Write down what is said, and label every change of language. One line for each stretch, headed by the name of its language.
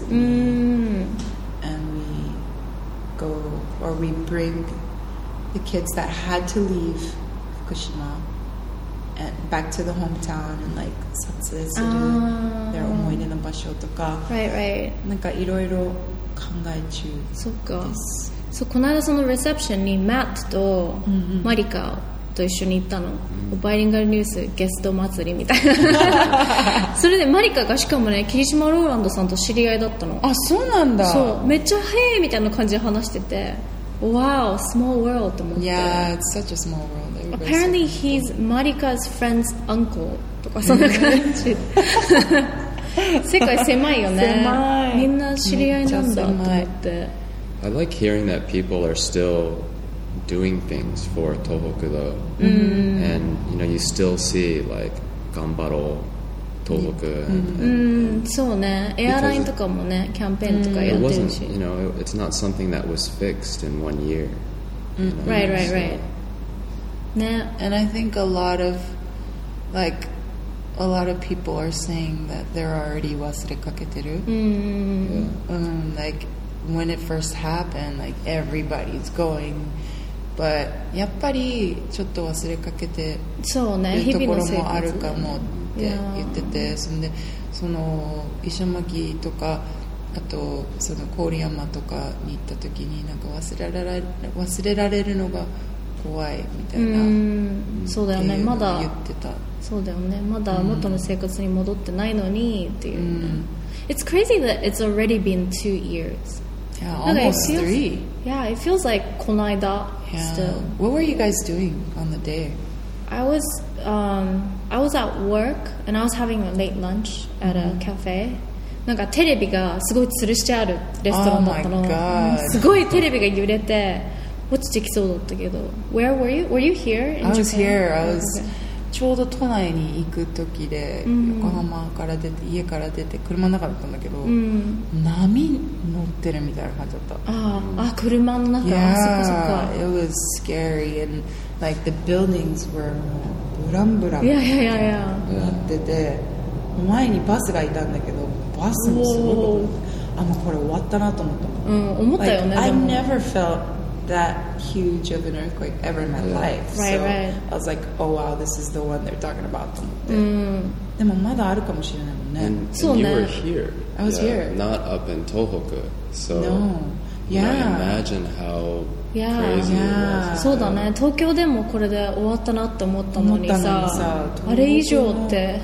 English: And we go, or we bring... the kids that had to leave Fukushima and back to the hometown and like
Japanese: 撮影する
English: their
Japanese: 思い出の場所とか
English: right, right.
Japanese: なんかいろいろ考え中です。 そっか。そう、この間そのレセプションにマットとマリカと一緒に行ったの、mm-hmm. バイリンガルニュースゲスト祭りみたいなそれでマリカがしかもね霧島ローランドさんと知り合いだったの。あ、そうなんだ。そう、めっちゃへーみたいな感じで話してて、
English: Wow, small world. Yeah, it's such a small world. Everybody's Apparently, so he's Marika's friend's uncle.
Japanese: とかそんな感じ。世界狭いよね。狭い。みんな知り合いなんだと思って。
English: I like hearing that people are still doing things for Tohoku, though. And you know, you still see like
Japanese: 頑張ろう
English: Tohoku.
Japanese: そうね。エアラインとかもね、キャンペーンとかやってるし。
English: It wasn't, you know, it's not something that was fixed in one year. Right, right, right. ね。 And I think a lot of people are saying that they're already
Japanese: 忘れかけてる。
English: Like, when it first happened, like, everybody's going...
Japanese: But やっぱりちょっと忘れかけてそうね、いうところもあるかもって言ってて、ね、そんでその石巻とかあとその郡山とかに行った時になんか忘れられるのが怖いみたいな、そうだよね、まだ言ってた、そうだよね、まだ元の生活に戻ってないのにっていう、ね、
English: It's crazy that it's already been 2 years. Yeah, almost three. Yeah, it feels like
Japanese: この間
English: Yeah. What were you guys doing on the day? I was at work and I was having a late lunch at a cafe.
Japanese: なんかテレビがすごい吊るしてあるレストランだったの。
English: Oh my god.
Japanese: すごいテレビが揺れて落ちてきそうだったけど。
English: Where were you? Were you here in Japan? I was here. I was
Japanese: ちょうど都内に行く時で横浜から出て家から出て車の中だったんだけど、波乗ってるみたいな感じだった。ああ車の中、そっかそっか。
English: It was scary and like the buildings were
Japanese: ブランブランってなってて、前にバスがいたんだけどバスもすごく、あ、もうこれ終わったなと思った。うん、思ったよね。
English: I never feltThat huge of an earthquake ever in my life. Right, so right. I was like, oh wow, this is the one they're talking about.
Japanese: でもまだあるかもしれないもんね。
English: So you were here. I was here. Not up in Tohoku. So no. Yeah. Can I imagine how crazy it was?
Japanese: そうだね。東京でもこれで終わったなって思ったのにさ、あれ以上って